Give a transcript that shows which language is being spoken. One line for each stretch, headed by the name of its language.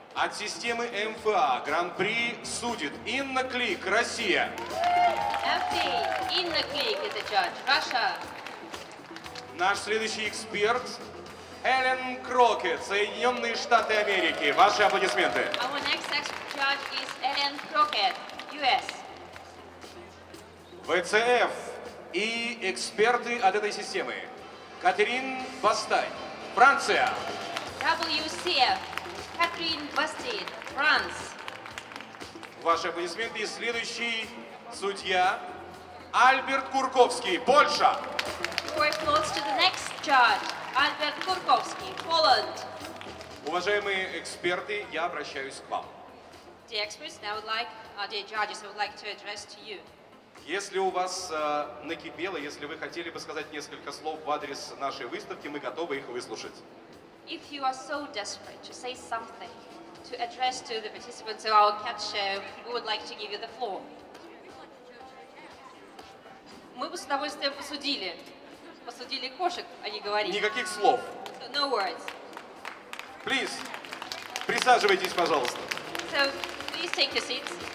Russian: От системы МФА Гран-при судит Инна Клик, Россия.
English: МФА, Инна Клик,
Russian: это
English: judge, Russia.
Russian: Наш следующий эксперт Хелен Крокет, Соединенные Штаты Америки. Ваши аплодисменты.
English: Our next expert judge is Helen Crockett, US.
Russian: ВЦФ и эксперты от этой системы. Катерин Бастай, Франция. WCF. Катрин Бастид, Франция. Ваши аплодисменты. И следующий судья. Альберт Курковский, Польша.
English: Your applause to the next judge. Альберт Курковский, Poland.
Russian: Уважаемые эксперты, я обращаюсь к вам.
English: Dear experts, I would like, dear judges, I would like to address to you.
Russian: Если у вас накипело, если вы хотели бы сказать несколько слов в адрес нашей выставки, мы готовы их выслушать.
English: If you are so desperate to say something to address to the participants of our cat show, we would like to give you the floor.
Russian: Мы бы с удовольствием посудили. Посудили кошек, а не говорили. Никаких слов.
English: So, no words. Please,
Russian: присаживайтесь, пожалуйста.
English: So, please take your seats.